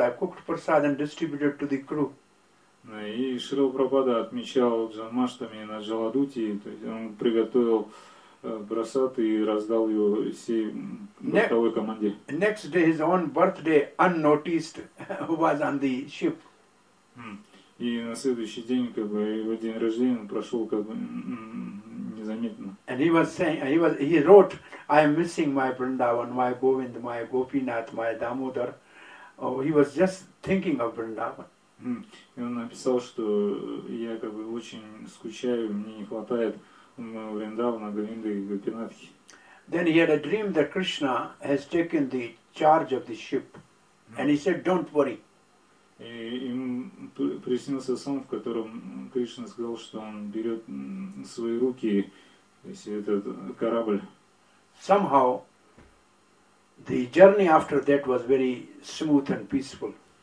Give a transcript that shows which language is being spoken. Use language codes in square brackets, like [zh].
[en] I cooked prasad and distributed to the crew. [ru] И Шрила Прабхупада отмечал Джанмаштами на Джаладуте. То есть он приготовил прасад и раздал его всей бортовой команде. [en] Next day his own birthday unnoticed was on the ship. [ru] И на следующий день как бы его день рождения прошел как бы незаметно. [en] And he wrote, I am missing my Vrindavan, my Govind, my Gopinath, my Damodar. Oh, he was just thinking of Vrindavan. [ru] И он написал, что я как бы очень скучаю, мне не хватает Вриндавана, Говинды и Гопинатхи. [en] Then he had a dream that Krishna has taken the charge of the ship. And he said, don't worry. [ru] И ему приснился сон, в котором Кришна сказал, что он берет свои руки, то есть этот корабль. [en] somehow the journey after that was very smooth and peaceful.